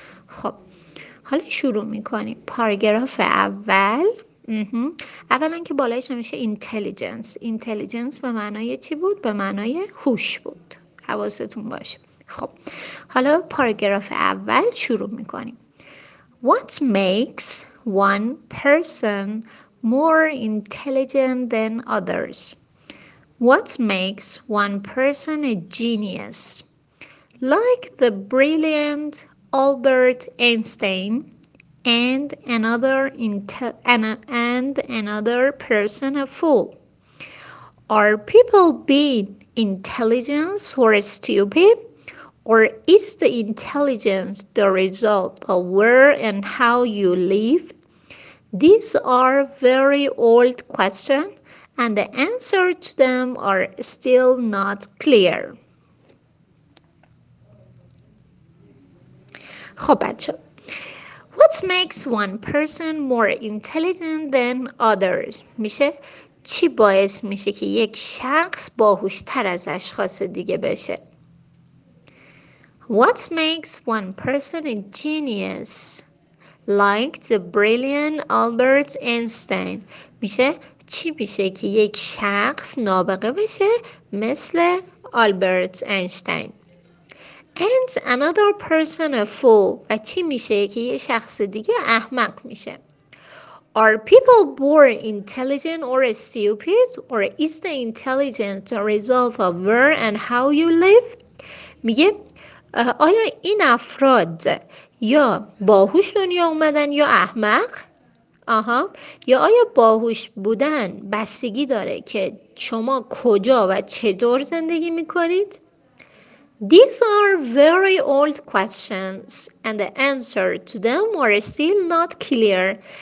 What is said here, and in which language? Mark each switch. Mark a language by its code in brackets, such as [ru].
[fa] خب حالا شروع میکنیم. پاراگراف اول، اولا که بالایش نمیشه اینتلیجنس. اینتلیجنس به معنای چی بود؟ به معنای هوش بود، حواستون باشه. خب حالا پاراگراف اول شروع میکنیم. [en] What makes one person more intelligent than others? What makes one person a genius? Like the brilliant Albert Einstein and another person a fool? Are people being intelligent or stupid? Or is the intelligence the result of where and how you live? These are very old questions, and the answer to them are still not clear. [fa] خب بچه، [en] What makes one person more intelligent than others? [fa] میشه چی باعث میشه که یک شخص باهوشتر از اشخاص دیگه بشه؟ [en] What makes one person a genius like the brilliant Albert Einstein? [fa] میشه چی میشه که یک شخص نابغه بشه مثل آلبرت اینشتین؟ [en] And another person a fool. [fa] و چی میشه که یه شخص دیگه احمق میشه؟ [en] Are people born intelligent or stupid? Or is the intelligence a result of where and how you live? [fa] میگه آیا این افراد یا باهوش دنیا اومدن یا احمق؟ آها، یا آیا باهوش بودن بستگی داره که شما کجا و چطور زندگی میکنید؟ [en] These are very old questions and the answer to them are still not clear.